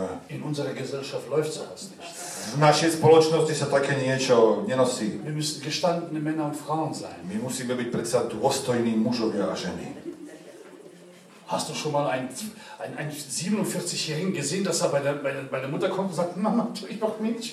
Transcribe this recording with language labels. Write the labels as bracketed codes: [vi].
[de] In unserer Gesellschaft läuft sowas nicht. [sk] V našej spoločnosti sa také niečo nenosí. My musíme [de] gestandene Männer und Frauen sein. [sk] My musíme byť predsa dôstojní mužovia a ženy. [de] Hast du schon mal ein 47-jährigen gesehen, dass er bei der Mutter kommt und sagt, Mama, tu ich noch Milch?